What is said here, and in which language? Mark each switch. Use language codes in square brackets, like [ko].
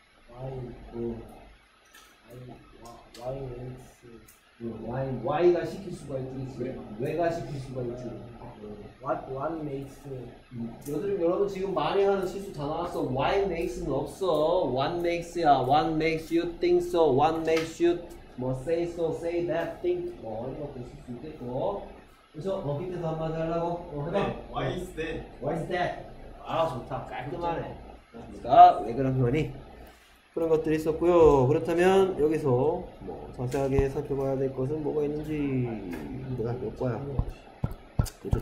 [en] Why? 어. Why makes you? [ko] Why가 시킬 수가 있지, 왜가 시킬 수가 있지. [en] What makes? [ko] 여러분 지금 많이 하는 실수 다 나왔어. [en] Why makes는 없어. What makes야. What makes you think so. What makes you 뭐 say so, say that, think. [ko] 뭐 이런 것도 있을 수 있겠고. 그래서 어 밑에서 한마디 하려고. 어, 해봐. 네. [en] Why is that? Why is that? [ko] 아 좋다. 깔끔하네. 그러니까 왜 그런 거니? 그런 것들이 있었고요. 그렇다면 여기서 뭐 자세하게 살펴봐야 될 것은 뭐가 있는지 내가 몇 과야? 그렇죠.